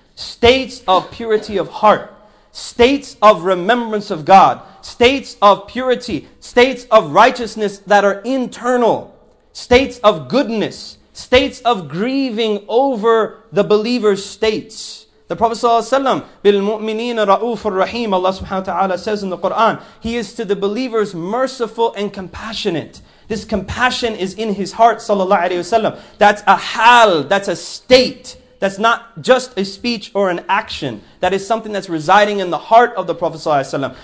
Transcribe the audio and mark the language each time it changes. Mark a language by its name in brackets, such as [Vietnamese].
[English] States of purity of heart. States of remembrance of God. States of purity, states of righteousness that are internal, states of goodness, states of grieving over the believer's states. The Prophet ﷺ, [Arabic] بِالْمُؤْمِنِينَ رَؤُوفٌ رَحِيمٌ. [English] Allah subhanahu wa ta'ala says in the Quran, he is to the believers merciful and compassionate. This compassion is in his heart, sallallahu alayhi wasallam. That's a hal, that's a state. That's not just a speech or an action. That is something that's residing in the heart of the Prophet ﷺ.